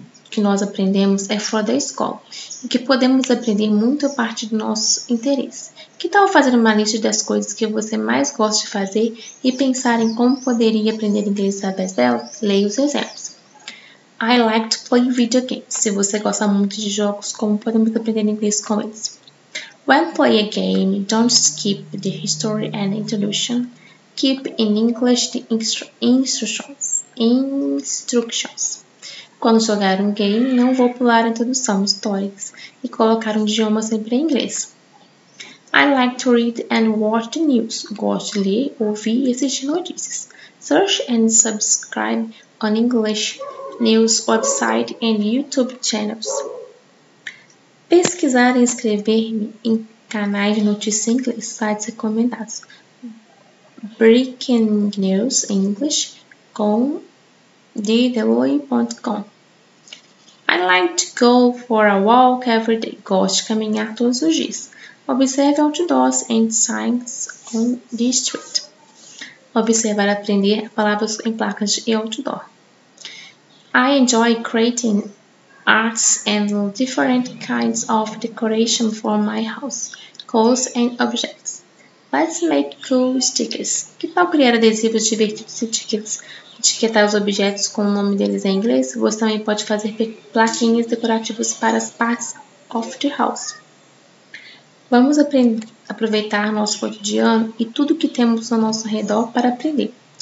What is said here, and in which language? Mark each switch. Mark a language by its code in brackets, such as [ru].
[pt] que nós aprendemos é fora da escola e que podemos aprender muito a partir do nosso interesse. Que tal fazer uma lista das coisas que você mais gosta de fazer e pensar em como poderia aprender inglês através delas? Leia os exemplos. [en] I like to play video games. [pt] Se você gosta muito de jogos, como podemos aprender inglês com eles? [en] When play a game, don't skip the history and introduction. Keep in English the instructions. [pt] Quando jogar um game, não vou pular a introdução, stories, e colocar um idioma sempre em inglês. [en] I like to read and watch the news. [pt] Gosto de ler, ouvir e assistir notícias. [en] Search and subscribe on English news website and YouTube channels. [pt] Pesquisar e inscrever-me em canais de notícias em inglês, sites recomendados. Breaking News em inglês com dw.com. [en] I like to go for a walk every day. [pt] Gosto de caminhar todos os dias. [en] Observe outdoors and signs on the street. [pt] Observar e aprender palavras em placas de outdoor. [en] I enjoy creating arts and different kinds of decoration for my house, clothes and objects. Let's make cool stickers. [pt] Que tal criar adesivos divertidos e stickers? Etiquetar os objetos com o nome deles em inglês. Você também pode fazer plaquinhas decorativas para as partes [en] of the house. [pt] Vamos aproveitar nosso cotidiano e tudo que temos ao nosso redor para aprender.